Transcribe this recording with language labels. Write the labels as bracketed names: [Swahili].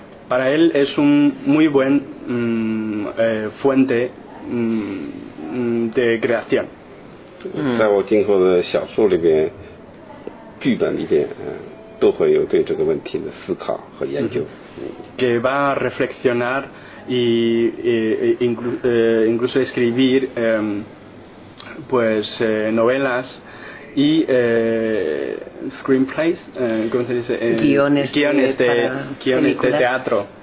[Spanish] Para él es un muy buen fuente de creación. [Chinese] 在我今后的小说里边剧本里边都会有对这个问题的思考和研究。 [Spanish] Que va a reflexionar y incluso escribir pues novelas y screenplays, ¿cómo se dice? Guiones de teatro.